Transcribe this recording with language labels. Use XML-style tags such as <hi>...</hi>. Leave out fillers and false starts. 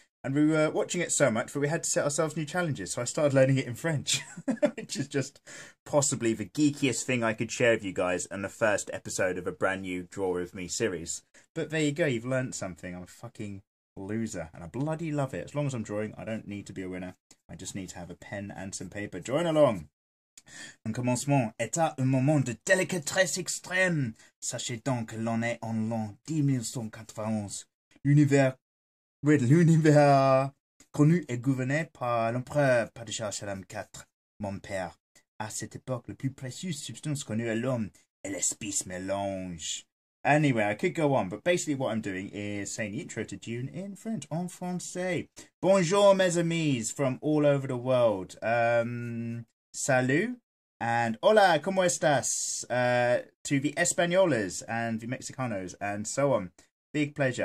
<en>And we were watching it so much that we had to set ourselves new challenges. So I started learning it in French, which is just possibly the geekiest thing I could share with you guys and the first episode of a brand new Draw With Me series. But there you go, you've learned something. I'm a fucking loser and I bloody love it. As long as I'm drawing, I don't need to be a winner. I just need to have a pen and some paper. Join along.</en> <fr>Un commencement est à un moment de délicatesse extrême. Sachez donc que l'on est en l'an 10191. L'univers connu et gouverné par l'empereur Padishah Shalam IV, mon père. À cette époque, la plus précieuse substance connue à l'homme est l'espèce mélange.</fr> <en>Anyway, I could go on, but basically what I'm doing is saying the intro to Dune in French,</en> <fr>en français. Bonjour, mes amis,</fr> <en>from all over the world.</en> <fr>Salut,</fr> <en>and</en> <es>hola, ¿cómo estás?</es> <en>To the Españoles and the Mexicanos and so on. Big pleasure.</en>